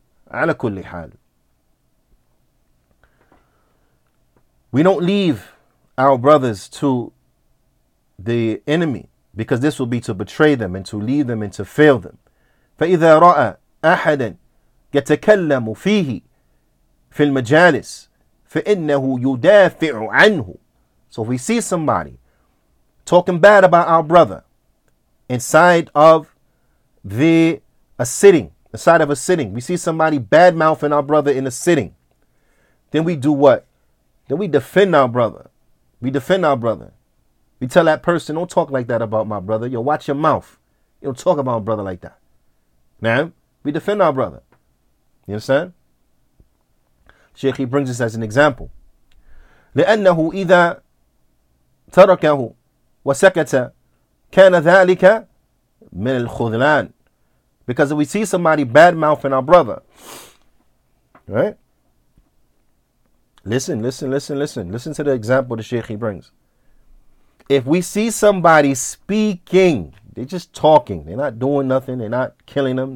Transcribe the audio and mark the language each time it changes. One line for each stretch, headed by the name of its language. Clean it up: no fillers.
Arabic: على كل حال,
English: we don't leave our brothers to the enemy, because this will be to betray them and to leave them and to fail them.
Arabic: فإذا رأى أحدا يتكلم فيه في المجالس فإنه يدافع عنه.
English: So if we see somebody talking bad about our brother inside of a sitting, we see somebody bad mouthing our brother in a sitting, then we do what? Then we defend our brother. We defend our brother. We tell that person, don't talk like that about my brother. Yo, watch your mouth. You don't talk about my brother like that. Now, we defend our brother. You understand? Sheikh, he brings this as an example.
Arabic: لأنه إذا تركه وسكت كان ذلك من الخذلان.
English: Because if we see somebody bad-mouthing our brother, right? Listen. Listen to the example the Sheikh he brings. If we see somebody speaking, they're just talking. They're not doing nothing. They're not killing them.